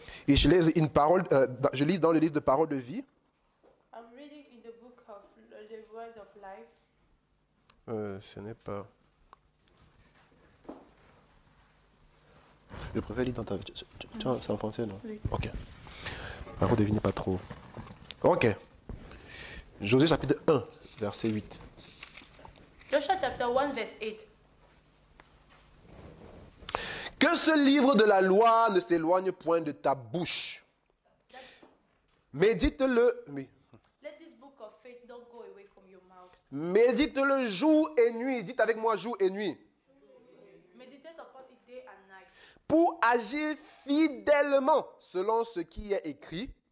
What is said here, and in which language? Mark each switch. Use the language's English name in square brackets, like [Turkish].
[French] Et je lis une parole, je lis dans le livre de paroles de vie. [English] I'm reading in the book of the word of life. [French] Ce n'est pas. Je préfère lire dans ta. Tiens, c'est en français, non? Oui. Ok. Par contre, devinez pas trop. Ok. Josué chapitre 1, verset 8. Josué chapitre 1, verset 8. Que ce livre de la loi ne s'éloigne point de ta bouche. Médite-le. Mais. [English] Let this book of faith not go away from your mouth. [French] Médite-le jour et nuit. Dites avec moi jour et nuit. [English] Meditate upon it day and night. [French] Pour agir fidèlement selon ce qui est écrit.